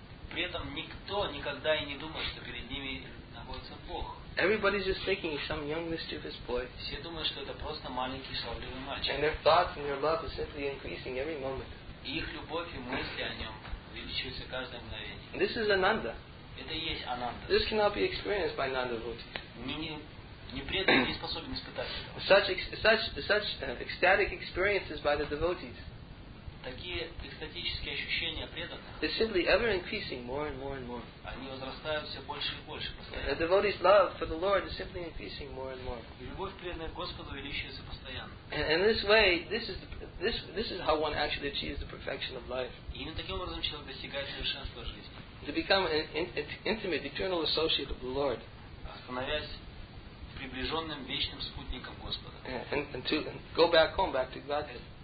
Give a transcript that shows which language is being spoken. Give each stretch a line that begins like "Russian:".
Russian: При этом никто никогда и не думает, что перед ними находится Бог.
English: Everybody's just thinking he's some young mischievous boy.
Russian: Все думают, что это просто маленький шаловливый мальчик.
English: And their thoughts and their love are simply increasing every moment.
Russian: И их любовь и мысли о нем увеличиваются каждое мгновение.
English: This is Ananda.
Russian: Это и есть Ананда.
English: This cannot be experienced by non-devotees.
Russian: Не преданный не способен испытать этого.
English: Such ecstatic experiences by the devotees.
Russian: Такие экстатические ощущения преданных.
English: They're simply ever increasing more and more and more.
Russian: Они возрастают все больше и больше постоянно.
English: A devotee's love for the Lord is simply increasing more and more.
Russian: И любовь преданных к Господу увеличивается постоянно.
English: And this way, this is how one actually achieves the perfection of life.
Russian: И именно таким образом человек достигает совершенства жизни.
English: To become an intimate, eternal associate of the Lord.
Russian: Становясь приближенным вечным спутником Господа.
English: And to go back to Godhead.